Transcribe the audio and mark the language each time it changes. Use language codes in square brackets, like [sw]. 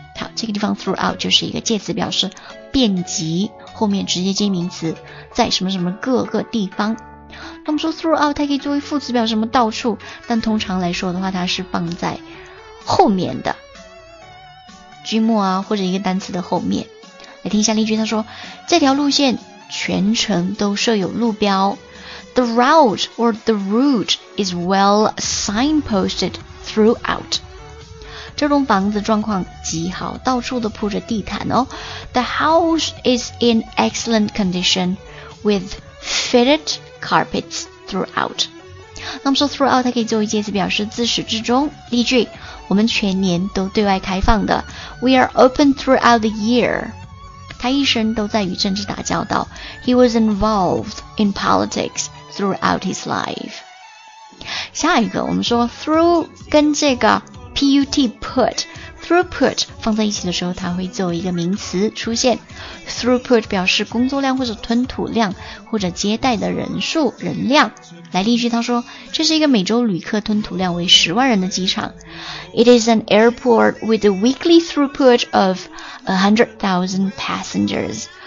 [zh] 好，这个地方 throughout 就是一个介词，表示遍及，后面直接接名词，在什么什么各个地方。他们说 throughout 它可以作为副词，表示什么到处，但通常来说的话，它是放在后面的句末啊，或者一个单词的后面。来听一下例句，他说，这条路线全程都设有路标。 [en] The route or the route is well signposted throughout. [zh] 这栋房子状况极好，到处都铺着地毯哦。 [en] The house is in excellent condition with fitted carpets throughout. [zh] 那么说 throughout 它可以作为介词，表示自始至终。例句，我们全年都对外开放的。 [en] We are open throughout the year. [zh] 他一生都在与政治打交道。 [en] He was involved in politics throughout his life. [zh] 下一个，我们说 through 跟这个 put put throughput 放在一起的时候，它会作为一个名词出现。 Throughput 表示工作量或者吞吐量或者接待的人数人量。来例句，他说，这是一个每周旅客吞吐量为10万人的机场。 [en] It is an airport with a weekly throughput of 100,000 passengers.